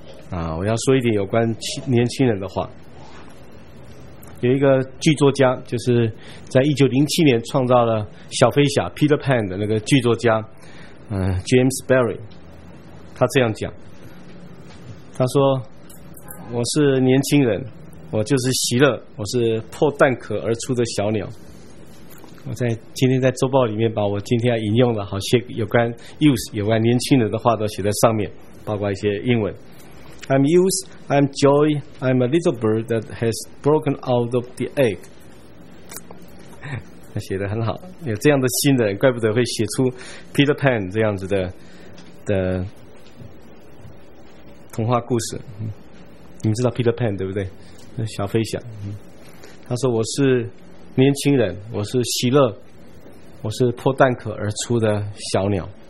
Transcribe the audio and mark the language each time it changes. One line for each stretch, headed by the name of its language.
Chinese: 我要说一点有关年轻人的话。有一个剧作家，就是在1907年创造了小飞侠 Peter Pan 的那个剧作家James Barry， 他这样讲，他说：我是年轻人，我就是喜乐，我是破蛋壳而出的小鸟。我在今天在周报里面把我今天要引用的好些有关 youth 有关年轻人的话都写在上面，包括一些英文。
English: I'm youth, I'm joy, I'm a little bird that has broken out of the egg。
Chinese: 他写得很好，有这样的心的人怪不得会写出 Peter Pan 这样子 的童话故事。你们知道 Peter Pan 对不对？小飞侠。他说：我是年轻人，我是喜乐，我是破蛋壳而出的小鸟。